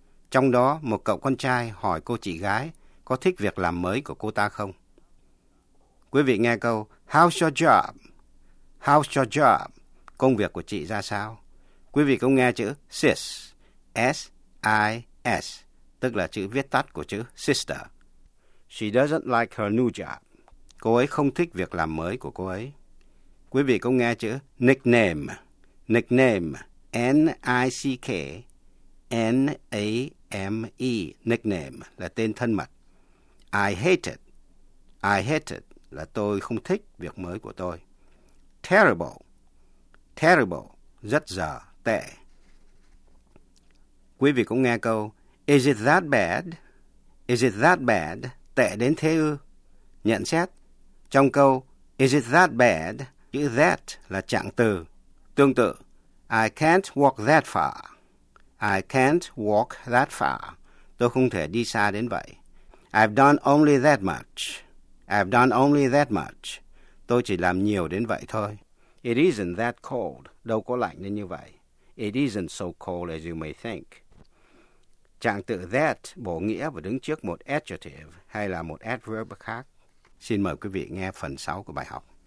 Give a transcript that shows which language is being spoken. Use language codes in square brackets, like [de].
[vi] Trong đó, một cậu con trai hỏi cô chị gái có thích việc làm mới của cô ta không? [en] Quý vị nghe câu, How's your job? How's your job? [vi] Công việc của chị ra sao? Quý vị cũng nghe chữ sis, S-I-S. Tức là chữ viết tắt của chữ sister. [en] She doesn't like her new job. [vi] Cô ấy không thích việc làm mới của cô ấy. Quý vị cũng nghe chữ nickname. Nickname. [en] N-I-C-K. N-A-M-E. [vi] Nickname là tên thân mật. I hate it. I hate it là tôi không thích việc mới của tôi. Terrible. Terrible. Rất dở, tệ. Quý vị cũng nghe câu Is it that bad? Is it that bad? Tệ đến thế ư? Nhận xét. Trong câu Is it that bad? Chữ that là trạng từ. Tương tự. [en] I can't walk that far. I can't walk that far. [vi] Tôi không thể đi xa đến vậy. I've done only that much. I've done only that much. Tôi chỉ làm nhiều đến vậy thôi. [en] It isn't that cold. Đâu có lạnh đến như vậy. It isn't so cold as you may think. [vi] Trạng từ that bổ nghĩa và đứng trước một adjective hay là một adverb khác. Xin mời quý vị nghe phần 6 của bài học.